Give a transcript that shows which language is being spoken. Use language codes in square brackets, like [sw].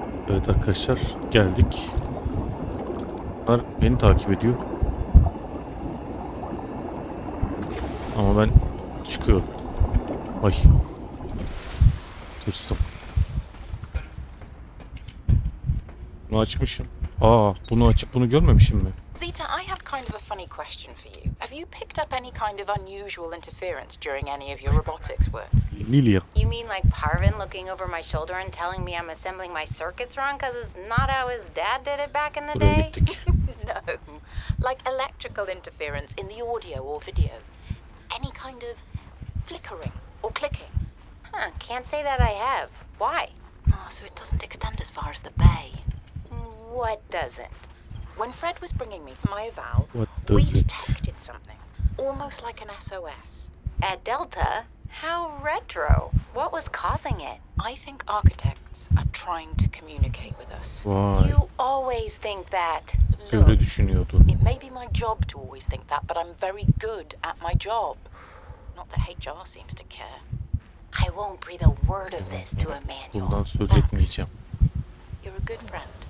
[tr] Evet arkadaşlar, geldik. Bunlar beni takip ediyor. Ama ben çıkıyorum. Ay. Hırstım. Bunu açmışım. Aa, bunu açıp bunu görmemişim mi? [en] Zeta, I have kind of a funny question for you. Have you picked up any kind of unusual interference during any of your robotics work? Lilia. You mean like Parvin looking over my shoulder and telling me I'm assembling my circuits wrong because it's not how his dad did it back in the day? No. Like electrical interference in the audio or video. Any kind of flickering or clicking. Huh, can't say that I have. Why? Oh, so it doesn't extend as far as the bay. What doesn't? When Fred was bringing me for my eval, we detected something. Almost like an SOS. At Delta? How retro. What was causing it? I think architects are trying to communicate with us. Why? You always think that. [tr] Öyle düşünüyordu. [en] It may be my job to always think that, but I'm very good at my job. Not that HR seems to care. I won't breathe a word of this to Emmanuel. [tr] Bundan söz etmeyeceğim. [en] You're a good friend.